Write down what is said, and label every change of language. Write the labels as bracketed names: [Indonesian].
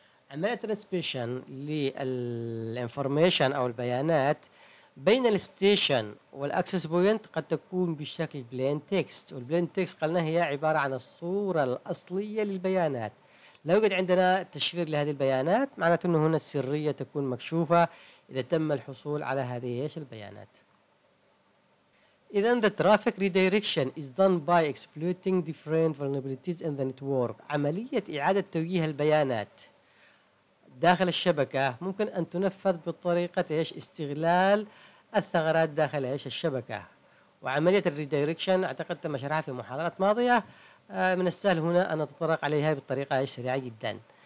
[Arabic] عملية Transmission للإنفورميشن أو البيانات بين الستيشن والأكسس بوينت قد تكون بشكل Plain Text، والبلين تكست قلنا هي عبارة عن الصورة الأصلية للبيانات. لو قد عندنا تشفير لهذه البيانات معناته أنه هنا السرية تكون مكشوفة إذا تم الحصول على هذه البيانات. إذن [English] the traffic redirection is done by exploiting different vulnerabilities in the network. [Arabic] عملية إعادة توجيه البيانات داخل الشبكة ممكن أن تنفذ بطريقة إيش؟ استغلال الثغرات داخل إيش؟ الشبكة. وعملية redirection أعتقد تم شرحها في محاضرات ماضية، من السهل هنا أن نتطرق عليها بطريقة إيش؟ سريعة جدا.